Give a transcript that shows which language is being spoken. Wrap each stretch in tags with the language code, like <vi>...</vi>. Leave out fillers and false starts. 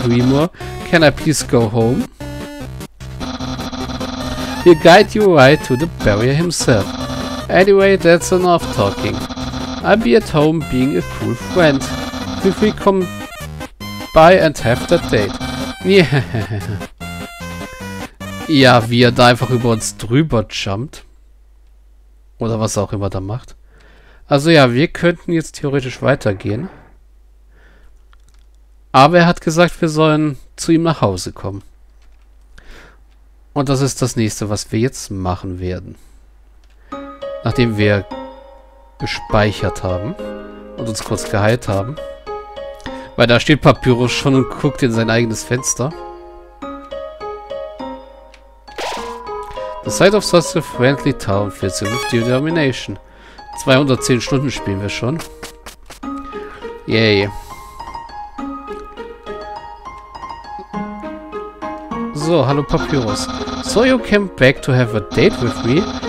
<en>Dreamer, can I please go home? He'll guide you right to the barrier himself. Anyway, that's enough talking. I'll be at home being a cool friend. If we come by and have that date. Yeah.</en> <de>Ja, wie er da einfach über uns drüber jumpt. Oder was er auch immer da macht. Also ja, wir könnten jetzt theoretisch weitergehen. Aber er hat gesagt, wir sollen zu ihm nach Hause kommen. Und das ist das nächste, was wir jetzt machen werden. Nachdem wir gespeichert haben und uns kurz geheilt haben. Weil da steht Papyrus schon und guckt in sein eigenes Fenster.</de> <en>The site of such a friendly town fills you with determination.</en> <de>210 Stunden spielen wir schon. Yay. So, hallo Papyrus.</de> <en>So you came back to have a date with me?</en>